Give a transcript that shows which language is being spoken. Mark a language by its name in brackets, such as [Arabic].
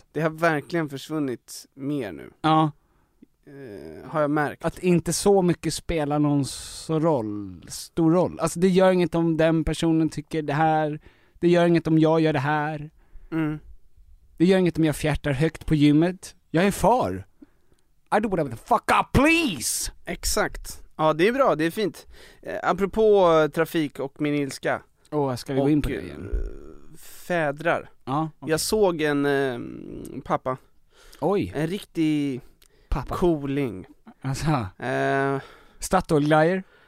[Swedish] Det har verkligen försvunnit mer nu. Ja. Har jag märkt. Att inte så mycket spelar någon stor roll. Alltså det gör inget om den personen tycker det här. Det gör inget om jag gör det här. Mm. Det gör inget om jag fjärtar högt på gymmet. Jag är far. [English] I do whatever the fuck up, please! [Swedish] Exakt. Ja, det är bra. Det är fint. Apropå trafik och min ilska. Ska vi gå in på det igen? Fädrar. Ja, okay. Jag såg en pappa. Oj. En riktig pappa. Cooling. Alltså. Statoil-glajer?